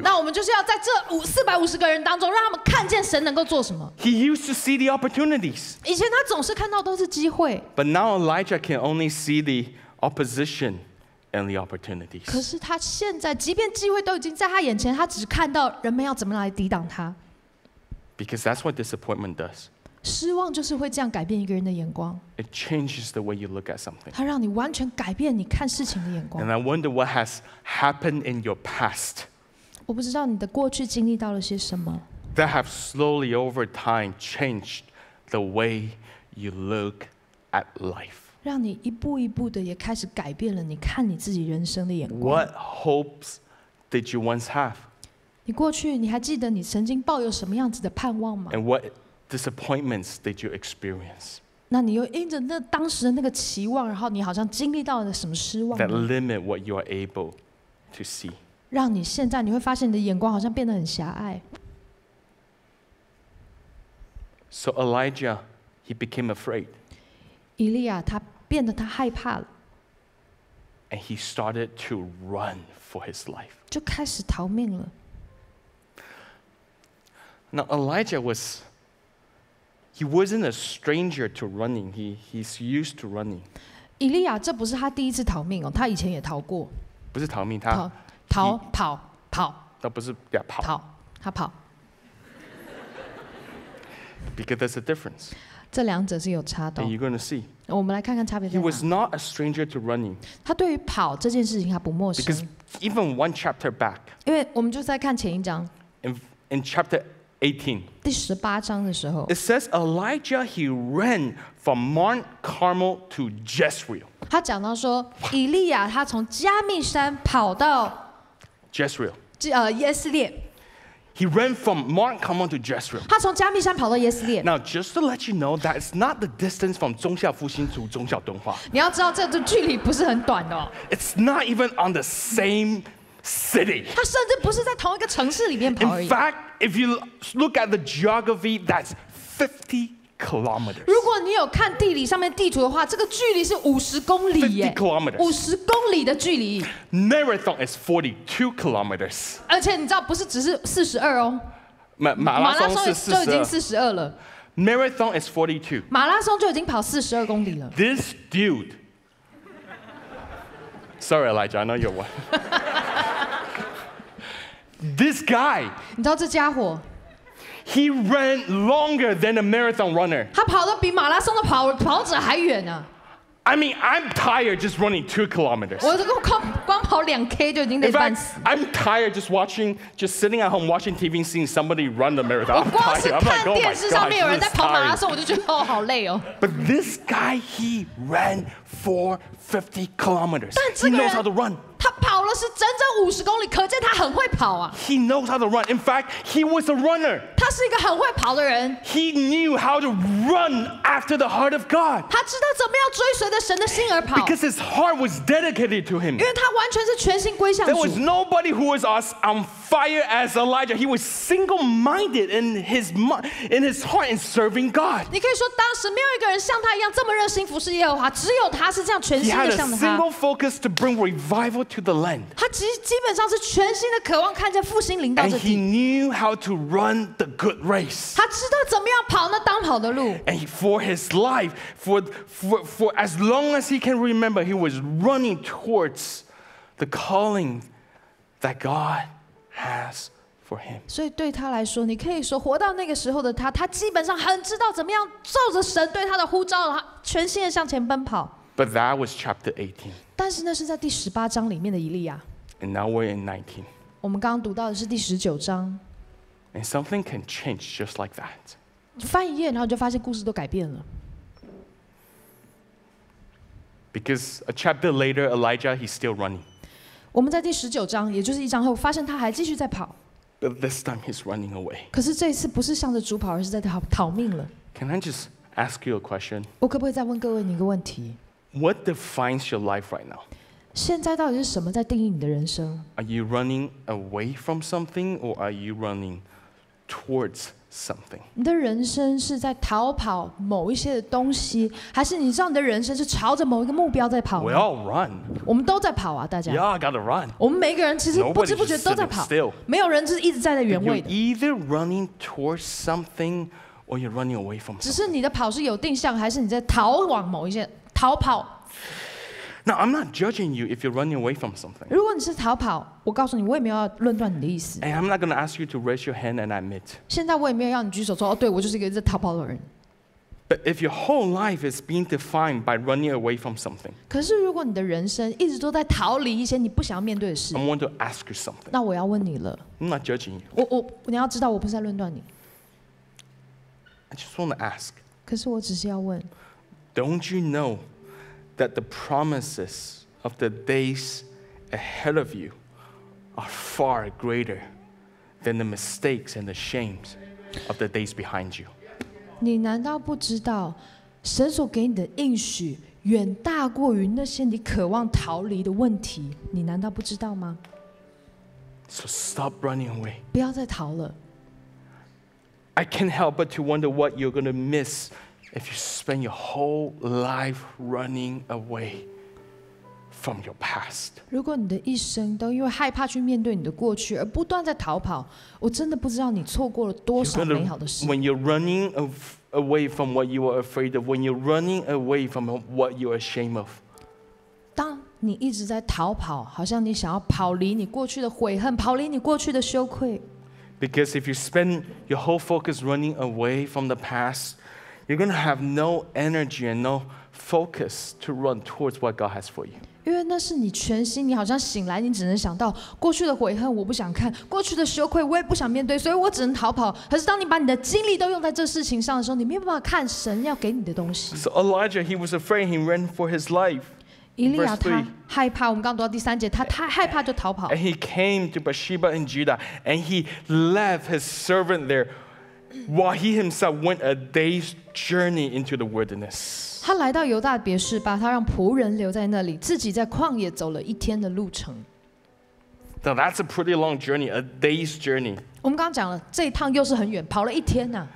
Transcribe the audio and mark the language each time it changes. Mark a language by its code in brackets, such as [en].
[zh] 那我们就是要在这450个人当中，让他们看见神能够做什么。 [en] He used to see the opportunities. [zh] 以前他总是看到都是机会。 [en] But now Elijah can only see the opposition. And the opportunities. [zh] 可是他现在，即便机会都已经在他眼前，他只看到人们要怎么来抵挡他。 [en] Because that's what disappointment does. [zh] 失望就是会这样改变一个人的眼光。 [en] It changes the way you look at something. [zh] 它让你完全改变你看事情的眼光。 [en] And I wonder what has happened in your past. [zh] 我不知道你的过去经历到了些什么。 [en] That have slowly over time changed the way you look at life. [zh] 让你一步一步的也开始改变了你看你自己人生的眼光。 [en] What hopes did you once have? [zh] 你过去你还记得你曾经抱有什么样子的盼望吗 [en] ？And what disappointments did you experience? [zh] 那你又因着那当时的那个期望，然后你好像经历到了什么失望 [en] ？That limit what you are able to see. [zh] 让你现在你会发现你的眼光好像变得很狭隘。 [en] So Elijah, he became afraid. [zh] 以利亚他变得他害怕了 [en] ，and he started to run for his life. [zh] 就开始逃命了。 [en] Now Elijah was He wasn't a stranger to running. He's used to running. [zh] 以利亚，这不是他第一次逃命哦，他以前也逃过。不是逃命，他逃跑跑。那不是要跑。跑，他跑。 [en] Because there's a difference. [zh] 这两者是有差的。 [en] And you're going to see. [zh] 我们来看看差别在哪。 [en] He was not a stranger to running. [zh] 他对于跑这件事情他不陌生。 [en] Because even one chapter back. [zh] 因为我们就在看前一章。 [en] In chapter 18. [zh] 第十八章的时候。 [en] It says Elijah he ran from Mount Carmel to Jezreel. [zh] 他讲到说，以利亚他从加密山跑到 [en] Jezreel. [zh] 耶斯列。 [en] He ran from Mount Carmel to Jezreel. [zh] 他从加密山跑到耶斯列。 [en] Now, just to let you know, that's not the distance from 忠孝复兴 to 忠孝敦化。 [zh] 你要知道，这个距离不是很短哦。 [en] It's not even on the same city. [zh] 他甚至不是在同一个城市里面跑而已。 [en] In fact, if you look at the geography, that's 50 kilometers. [zh] 如果你有看地理上面地图的话，这个距离是五十公里耶。 [en] 50 kilometers. [zh] 五十公里的距离。 [en] Marathon is 42 kilometers. [zh] 而且你知道，不是只是四十二哦。马拉松是就已经四十二了。 [en] Marathon is 42. [zh] 马拉松就已经跑四十二公里了。 [en] This dude. Sorry, Elijah. I know you're one. This guy. [zh] 你知道这家伙。 [en] He ran longer than a marathon runner. [zh] 他跑得比马拉松的跑者还远呢。 [en] I mean, I'm tired just running 2 kilometers. [zh] 我这个光跑两 K 就已经累半死。 [en] I'm tired just sitting at home watching TV, seeing somebody run the marathon. [zh] 我光是看电视上面有人在跑马拉松，我就觉得哦，好累哦。 [en] But this guy, he ran for 50 kilometers. [zh] 但这个人 [en] he knows how to run. [zh] 他跑了是整整五十公里，可见他很会跑啊。 [en] He knows how to run. In fact, he was a runner. [zh] 他是一个很会跑的人。 [en] He knew how to run after the heart of God. [zh] 他知道怎么样追随着神的心而跑。 [en] Because his heart was dedicated to him. [zh] 因为他完全是全心归向主。 [en] There was nobody who was as on fire as Elijah. He was single-minded in his heart in serving God. [zh] 你可以说当时没有一个人像他一样这么热心服侍耶和华，只有他是这样全心的向着他。 [en] He had a single focus to bring revival. To the land. [zh] 他基本上是全心的渴望看见复兴临到这地。 [en] And he knew how to run the good race. [zh] 他知道怎么样跑那当跑的路。 [en] And for his life, for as long as he can remember, he was running towards the calling that God has for him. [zh] 所以对他来说，你可以说活到那个时候的他，他基本上很知道怎么样照着神对他的呼召，他全心的向前奔跑。 [en] But that was chapter 18. [zh] 但是那是在第十八章里面的以利亚。 [en] And now we're in 19. [zh] 我们刚刚读到的是第十九章。 [en] And something can change just like that. [zh] 翻一页，然后就发现故事都改变了。 [en] Because a chapter later, Elijah he's still running. [zh] 我们在第十九章，也就是一章后，发现他还继续在跑。 [en] But this time he's running away. [zh] 可是这一次不是向着主跑，而是在逃命了。 [en] Can I just ask you a question? [zh] 我可不可以再问各位一个问题？ [en] What defines your life right now? [zh] 现在到底是什么在定义你的人生？ [en] Are you running away from something or are you running towards something? [zh] 你的人生是在逃跑某一些的东西，还是你知道你的人生是朝着某一个目标在跑？ [en] We all run. [zh] 我们都在跑啊，大家。 [en] Yeah, I gotta run. [zh] 我们每个人其实不知不觉都在跑。 [en] Nobody's sitting still. [zh] 没有人就是一直站在原位的。 [en] You're either running towards something or you're running away from something. [zh] 只是你的跑是有定向，还是你在逃往某一些？逃跑。 [en] Now I'm not judging you if you're running away from something. [zh] 如果你是逃跑，我告诉你，我也没有要论断你的意思。 [en] And I'm not going to ask you to raise your hand and admit. [zh] 现在我也没有要你举手说，哦，对，我就是一个在逃跑的人。 [en] But if your whole life is being defined by running away from something. [zh] 可是如果你的人生一直都在逃离一些你不想要面对的事。 [en] I want to ask you something. [zh] 那我要问你了。 [en] I'm not judging you. [zh] 我你要知道，我不是在论断你。 [en] I just want to ask. [zh] 可是我只是要问。 [en] Don't you know that the promises of the days ahead of you are far greater than the mistakes and the shames of the days behind you? [zh] 你难道不知道神所给你的应许远大过于那些你渴望逃离的问题？你难道不知道吗？ [en] So stop running away. [zh] 不要再逃了。 [en] I can't help but to wonder what you're going to miss. If you spend your whole life running away from your past, [zh] 如果你的一生都因为害怕去面对你的过去而不断在逃跑，我真的不知道你错过了多少美好的事。 [en] When you're running away from what you are afraid of, when you're running away from what you are ashamed of. [zh] 当你一直在逃跑，好像你想要跑离你过去的悔恨，跑离你过去的羞愧。 [en] Because if you spend your whole focus running away from the past, you're going to have no energy and no focus to run towards what God has for you. [zh] 因为那是你全心，你好像醒来，你只能想到过去的悔恨，我不想看过去的羞愧，我也不想面对，所以我只能逃跑。可是当你把你的精力都用在这事情上的时候，你没有办法看神要给你的东西。 [en] So Elijah, he was afraid. He ran for his life. [zh] 以利亚他害怕，我们刚读到第三节，他太害怕就逃跑。 [en] And he came to Beersheba in Judah, and he left his servant there, while he himself went a day's journey into the wilderness. [zh] 他来到犹大别示巴，他让仆人留在那里，自己在旷野走了一天的路程。 [en] Now that's a pretty long journey, a day's journey. [zh] 我们刚刚讲了，这一趟又是很远，跑了一天呐。